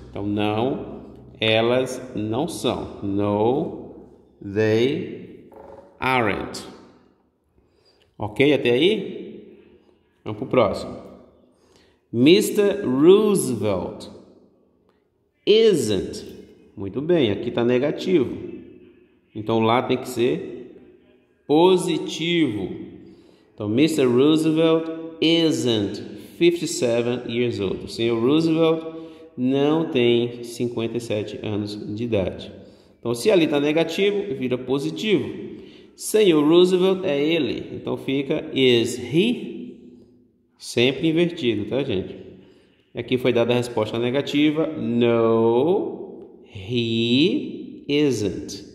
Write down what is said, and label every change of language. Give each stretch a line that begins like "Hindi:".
Portuguese: Então, não, elas não são.
English: No, they aren't.
Portuguese: Ok? Até aí? Vamos para o próximo. Mr.
English: Roosevelt isn't.
Portuguese: Muito bem, aqui está negativo. Então, lá tem que ser positivo. Então, Mr.
English: Roosevelt isn't 57 years old.
Portuguese: O senhor Roosevelt não tem 57 anos de idade. Então, se ali está negativo, vira positivo. Senhor Roosevelt é ele. Então, fica
English: is he?
Portuguese: Sempre invertido, tá, gente? Aqui foi dada a resposta negativa.
English: No, he isn't.